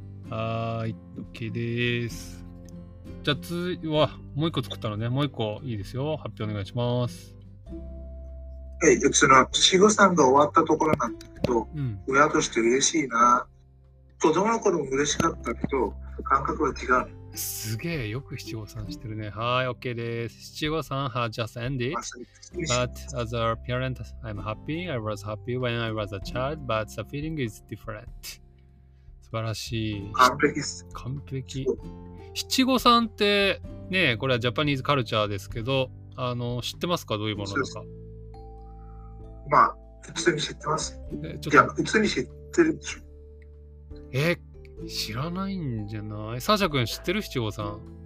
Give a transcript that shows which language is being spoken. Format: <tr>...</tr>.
<ja>はい、OK でーす。じゃあ次は、もう一個作ったので、もう一個いいですよ。発表お願いします。はい、仕事さんが終わったところなんだけど、うん、親として嬉しいな。子供の頃も嬉しかったけど、感覚は違う。すげえよく七五三してるね。はい、OK です。</ja> <en>七五三 has just ended. But as a parent, I'm happy. I was happy when I was a child, but the feeling is different.</en> <ja>素晴らしい。完璧です。完璧。七五三ってね、これはジャパニーズカルチャーですけど、知ってますか、どういうものですか。まあ、普通に知ってます。ちょっと、いや、普通に知ってるでしょ。知らないんじゃない？サーシャ君知ってる？七五三。</ja>